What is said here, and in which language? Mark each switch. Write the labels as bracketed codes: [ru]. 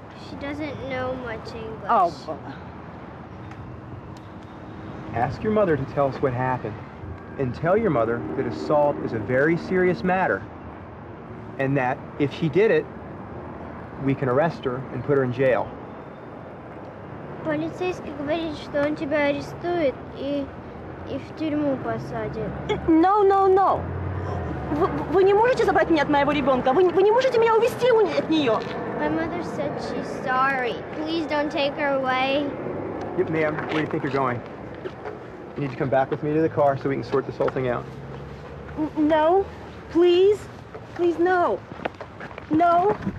[en] She doesn't know much English. Oh. Ask your mother to tell us what happened. And tell your mother that assault is a very serious matter. And that if she did it, we can arrest her and put her in jail. [ru] Полицейский говорит, что он тебя арестует и в тюрьму посадит. [en] No, no, no. [ru] Вы не можете забрать меня от моего ребенка? Вы не можете меня увести от нее? [en] My mother said she's sorry. Please don't take her away. Yep, ma'am, where do you think you're going? You need to come back with me to the car so we can sort this whole thing out. No, please. Please, no. No.